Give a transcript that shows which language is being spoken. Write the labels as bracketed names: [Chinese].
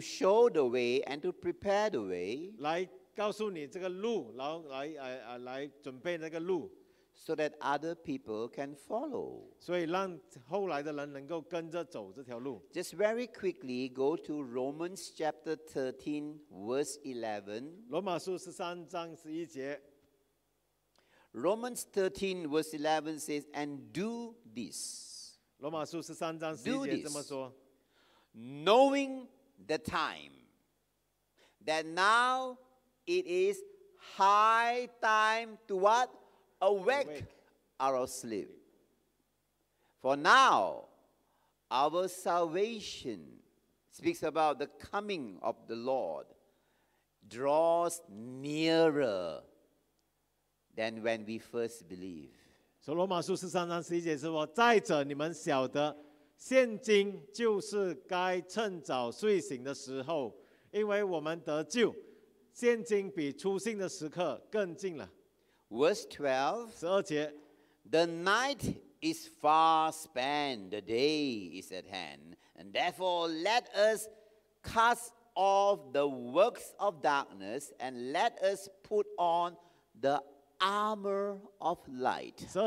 [English] show the way and to prepare the way. [Chinese] 来告诉你这个路，然后来准备那个路。 [English] So that other people can follow. [Chinese] 所以让后来的人能够跟着走这条路。 [English] Just very quickly go to Romans chapter 13 verse 11. [Chinese] 罗马书13章11节。 [English] Romans 13 verse 11 says, and do this. [Chinese] 罗马书13章11节这么说。 [English] Knowing the time, that now it is high time to what? Awake out of sleep. For now, our salvation speaks about the coming of the Lord draws nearer than when we first believe. [Chinese] So, 罗马书13章11节说，再者你们晓得，现今就是该趁早睡醒的时候，因为我们得救，现今比初信的时刻更近了。 [English] Verse 12, [Chinese] 12节, [English] the night is far spent, the day is at hand. And therefore, let us cast off the works of darkness and let us put on the armor of light.